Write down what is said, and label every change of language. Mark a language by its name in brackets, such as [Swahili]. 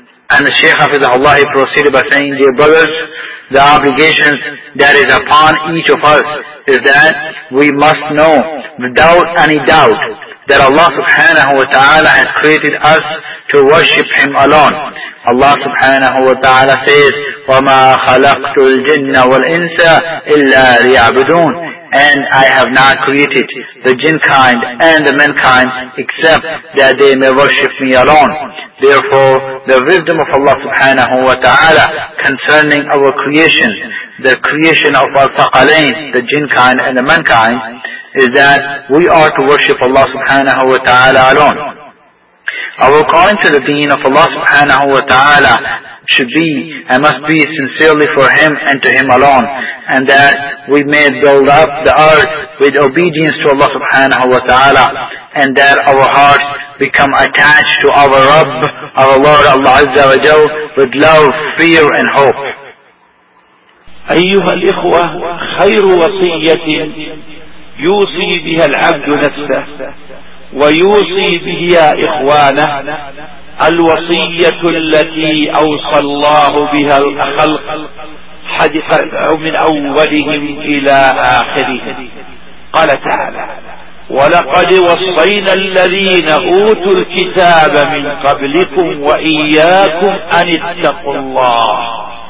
[English] And the Shaykh Hafizah Allah, He proceeded by saying, dear brothers, the obligations that is upon each of us is that we must know without any doubt that Allah subhanahu wa ta'ala has created us to worship Him alone. [Arabic] Allah subhanahu wa ta'ala says, وَمَا خَلَقْتُ الْجِنَّ وَالْإِنسَ إِلَّا لِيَعْبُدُونَ. [English] And I have not created the jinn kind and the mankind except that they may worship me alone. Therefore, the wisdom of Allah subhanahu wa ta'ala concerning our creation, the creation of al-thaqalain, the jinn kind and the mankind, is that we are to worship Allah subhanahu wa ta'ala alone. Our calling to the deen of Allah subhanahu wa ta'ala should be and must be sincerely for Him and to Him alone, and that we may build up the earth with obedience to Allah subhanahu wa ta'ala, and that our hearts become attached to our Rabb, our Lord Allah Azza wa Jal, with love, fear and hope. [Arabic] أيها الإخوة خير وصية يوصي بها العبد نفسه ويوصي بها إخوانه الوصية التي أوصى الله بها الخلق حديث من أولهم إلى آخرهم قال تعالى ولقد وصينا الذين أوتوا الكتاب من قبلكم وإياكم أن اتقوا الله